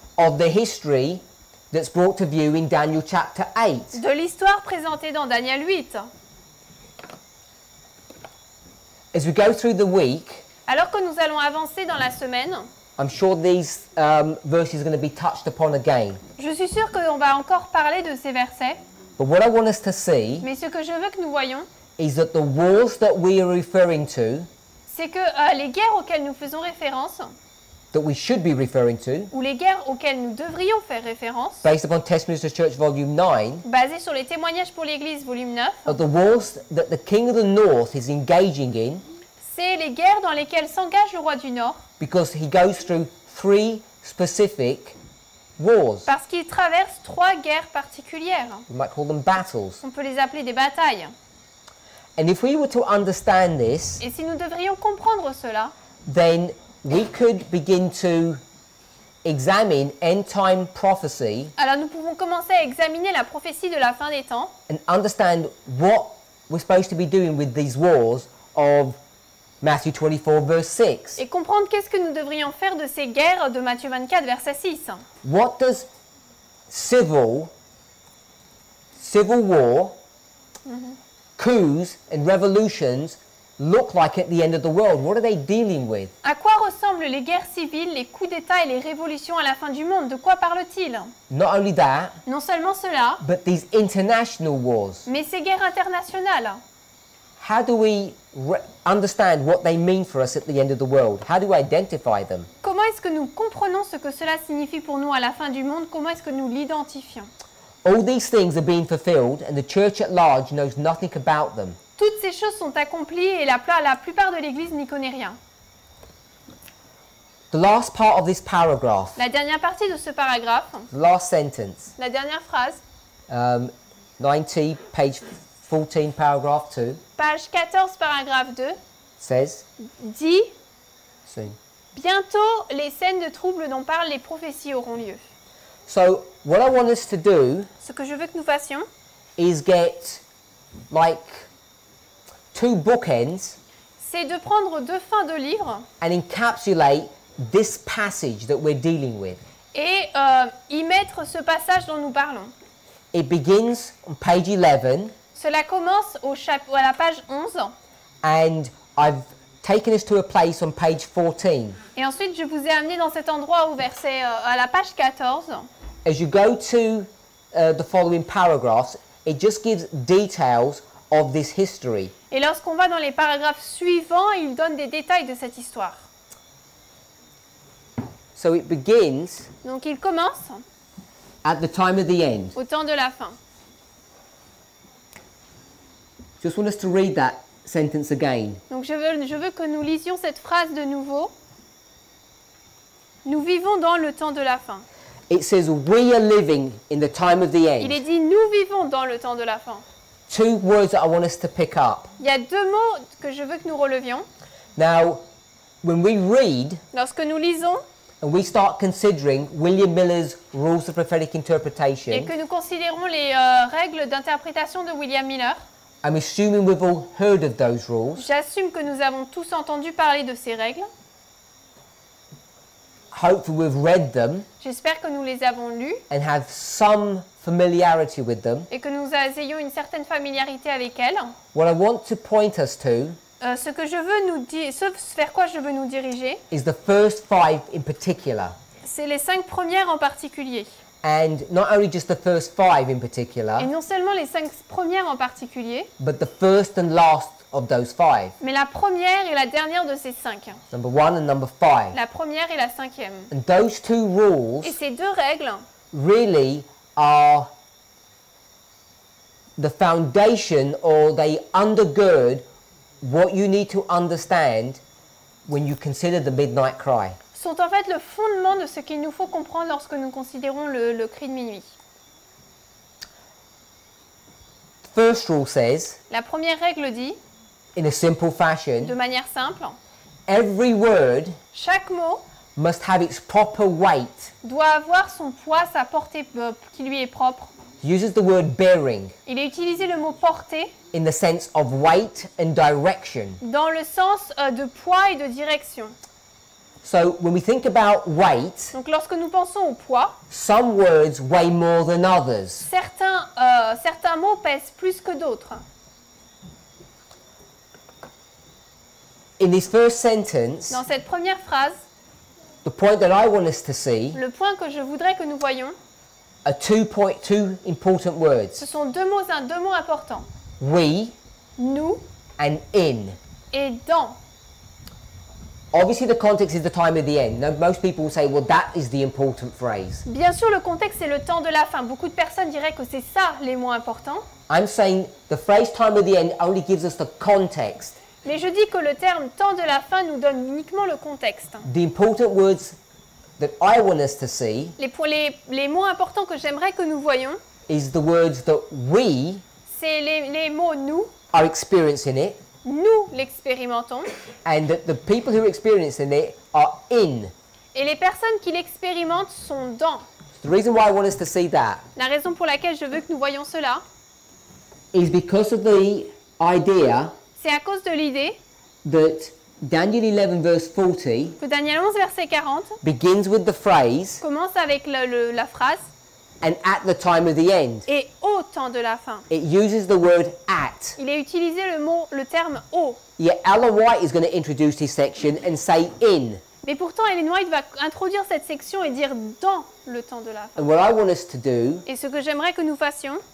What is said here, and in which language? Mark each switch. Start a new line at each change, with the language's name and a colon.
English: of the history that's brought to view in Daniel chapter 8
French: de l'histoire présentée dans Daniel 8.
English: As we go through the week
French: alors que nous allons avancer dans la semaine
English: I'm sure these verses are going to be touched upon again.
French: Je suis sûr que on va encore parler de ces versets.
English: But what I want us to see
French: mais ce que je veux que nous voyons
English: is that the wars that we are referring to
French: c'est que les guerres auxquelles nous faisons référence
English: that we should be referring to
French: ou les guerres auxquelles nous devrions faire référence
English: based upon Testimonies of the Church volume 9
French: basé sur les témoignages pour l'église volume 9
English: are the wars that the King of the North is engaging in
French: c'est les guerres dans lesquelles s'engage le roi du Nord
English: because he goes through three specific wars.
French: Parce qu'il traverse trois guerres particulières.
English: We might call them battles.
French: On peut les appeler des batailles.
English: And if we were to understand this,
French: et si nous devrions comprendre cela,
English: then we could begin to examine end time prophecy.
French: Alors nous pouvons commencer à examiner la prophétie de la fin des temps.
English: And understand what we're supposed to be doing with these wars of Matthew 24, verse 6.
French: Et comprendre qu'est-ce que nous devrions faire de ces guerres de Matthieu 24, verset 6.
English: What does civil war, coups and revolutions look like at the end of the world? What are they dealing with?
French: À quoi ressemblent les guerres civiles, les coups d'État et les révolutions à la fin du monde? De quoi parle-t-il?
English: Not only that,
French: non seulement cela,
English: but these international wars.
French: Mais ces guerres internationales.
English: How do we understand what they mean for us at the end of the world? How do we identify them?
French: Comment est-ce que nous comprenons ce que cela signifie pour nous à la fin du monde? Comment est-ce que nous l'identifions?
English: All these things are being fulfilled and the church at large knows nothing about them.
French: Toutes ces choses sont accomplies et la plupart de l'église n'y connaît rien.
English: The last part of this paragraph.
French: La dernière partie de ce paragraphe.
English: The last sentence.
French: La dernière phrase.
English: 90 page 14 paragraph 2.
French: Page 14, paragraphe 2,
English: 16.
French: Dit
English: soon.
French: Bientôt les scènes de trouble dont parlent les prophéties auront lieu.
English: So, what I want us to do
French: ce que je veux que nous fassions
English: is get, like, two bookends
French: c'est de prendre deux fins de livre
English: and encapsulate this passage that we're dealing with.
French: Et y mettre ce passage dont nous parlons.
English: It begins on page 11.
French: Cela commence à la page 11.
English: And I've taken us to a place on page 14.
French: Et ensuite, je vous ai amené dans cet endroit au verset à la page 14.
English: As you go to the following paragraphs, it just gives details of this history.
French: Et lorsqu'on va dans les paragraphes suivants, il donne des détails de cette histoire.
English: So it begins.
French: Donc il commence.
English: At the time of the end.
French: Au temps de la fin.
English: Just want us to read that sentence again.
French: Donc je veux que nous lisions cette phrase de nouveau. Nous vivons dans le temps de la fin.
English: It says we are living in the time of the end.
French: Il est dit nous vivons dans le temps de la fin.
English: Two words that I want us to pick up.
French: Il y a deux mots que je veux que nous relevions.
English: Now, when we read,
French: lorsque nous lisons,
English: and we start considering William Miller's rules of prophetic interpretation,
French: et que nous considérons les règles d'interprétation de William Miller.
English: I'm assuming we've all heard of those rules.
French: J'assume que nous avons tous entendu parler de ces règles.
English: Hopefully we've read them.
French: J'espère que nous les avons lues.
English: And have some familiarity with them.
French: Et que nous ayons une certaine familiarité avec elles.
English: What I want to point us to.
French: Ce que je veux nous dire, ce vers quoi je veux nous diriger.
English: Is the first five in particular.
French: C'est les cinq premières en particulier.
English: And not only just the first five in particular,
French: et non seulement les cinq premières en particulier,
English: but the first and last of those five.
French: Mais la première et la dernière de ces cinq.
English: Number one and number five.
French: La première et la cinquième.
English: And those two rules.
French: Et ces deux règles.
English: Really are the foundation, or they undergird what you need to understand when you consider the midnight cry.
French: sont en fait le fondement de ce qu'il nous faut comprendre lorsque nous considérons le cri de minuit.
English: First rule says,
French: la première règle dit,
English: in a simple fashion,
French: de manière simple,
English: every word,
French: chaque mot,
English: must have its proper weight,
French: doit avoir son poids, sa portée qui lui est propre.
English: Uses the word bearing.
French: Il a utilisé le mot portée
English: in the sense of weight and direction.
French: Dans le sens de poids et de direction.
English: So when we think about weight,
French: donc lorsque nous pensons au poids,
English: some words weigh more than others.
French: Certains mots pèsent plus que d'autres.
English: In this first sentence,
French: dans cette première phrase,
English: the point that I want us to see,
French: le point que je voudrais que nous voyions,
English: are 2.2 important words.
French: Ce sont deux mots importants.
English: We,
French: nous,
English: and in,
French: et dans.
English: Obviously, the context is the time of the end. Now, most people will say, "Well, that is the important phrase."
French: Bien sûr, le contexte c'est le temps de la fin. Beaucoup de personnes diraient que c'est ça les mots importants.
English: I'm saying the phrase "time of the end" only gives us the context.
French: Mais je dis que le terme "temps de la fin" nous donne uniquement le contexte.
English: The important words that I want us to see.
French: Les mots importants que j'aimerais que nous voyions.
English: Is the words that we.
French: C'est les mots nous.
English: Are experiencing it.
French: Nous l'expérimentons.
English: And that the people who are experiencing it are in.
French: Et les personnes qui l'expérimentent sont dans.
English: So the reason why I want us to see that.
French: La raison pour laquelle je veux que nous voyons cela.
English: Is because of the idea.
French: C'est à cause de l'idée.
English: That Daniel 11 verse 40.
French: Que Daniel 11 verset 40.
English: Begins with the phrase.
French: Commence avec la phrase.
English: And at the time of the end.
French: Et au temps de la fin.
English: It uses the word at.
French: Il a utilisé le terme au.
English: Yeah, Ellen White is going to introduce this section and say in.
French: Mais pourtant Ellen White va introduire cette section et dire dans le temps de la fin.
English: And what I want us to do.
French: Et ce que j'aimerais que nous fassions.